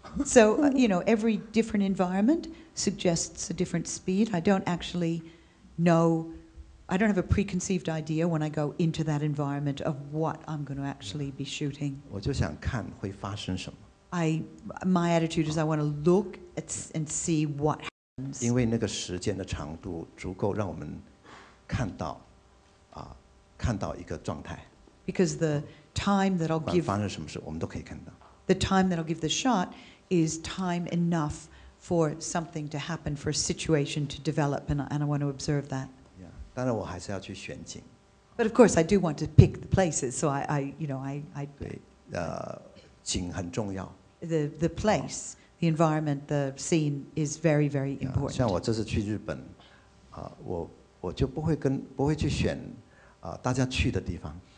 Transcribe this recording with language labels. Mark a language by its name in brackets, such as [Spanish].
[English] So, you know, every different environment suggests a different speed. I don't actually know, I don't have a preconceived idea when I go into that environment of what I'm going to actually be shooting. [Chinese] 我就想看会发生什么。 [English] My attitude is I want to look at and see what happens. [Chinese] 因为那个时间的长度足够让我们看到, 看到一个状态。 [English] Because the time that I'll give, [Chinese] 管发生什么事, [English] the time that I'll give the shot is time enough for something to happen, for a situation to develop, and I want to observe that. [Chinese] Yeah, 当然我还是要去选景. [English] But of course, I do want to pick the places, so I. [Chinese] 对，景很重要. [English] The place, the environment, the scene is very, very important. [Chinese] 像我这次去日本, 我就不会去选, 大家去的地方。